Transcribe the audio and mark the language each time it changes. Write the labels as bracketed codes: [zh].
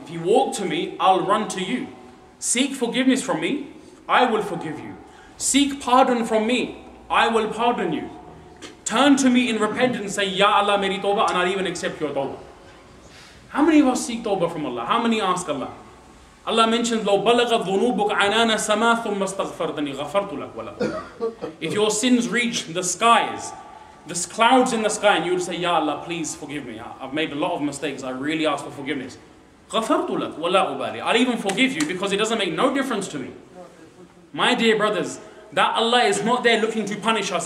[en] If you walk to me, I'll run to you. Seek forgiveness from me, I will forgive you. Seek pardon from me, I will pardon you. Turn to me in repentance and say, Ya Allah, [ur] meri tawbah, [en] and I'll even accept your tawbah. How many of us seek tawbah from Allah? How many ask Allah? Allah mentions, [ar] لَوْ بَلَغَ ذُنُوبُكْ عَنَانَ سَمَا ثُمَّ اسْتَغْفَرْتَنِي غَفَرْتُ لَكْ وَلَكُمْ. [en] If your sins reach the skies, there's clouds in the sky, and you would say, Ya Allah, please forgive me. I've made a lot of mistakes. I really ask for forgiveness. [ar] غَفَرْتُ لَكْ وَلَا أُبَالِي. [en] I'll even forgive you because it doesn't make no difference to me. My dear brothers, that Allah is not there looking to punish us.